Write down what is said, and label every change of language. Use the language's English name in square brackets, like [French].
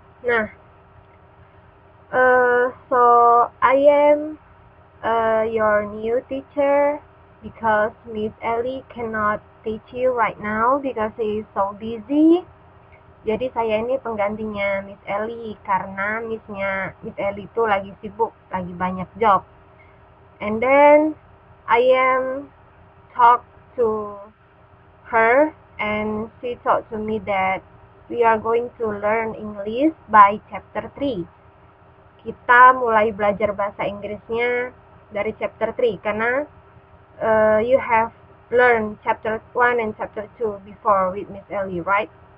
[English] Nah, so I am your new teacher because Miss Ellie cannot teach you right now because she is so busy. [Indonesian] Jadi saya ini penggantinya Miss Ellie karena Miss Ellie itu lagi sibuk, lagi banyak job. [English] And then I am talk to her and she talk to me that we are going to learn English by chapter 3. [Indonesian] Kita mulai belajar bahasa Inggrisnya dari chapter 3 karena [English] you have learned chapter 1 and chapter 2 before with Miss Ellie, right?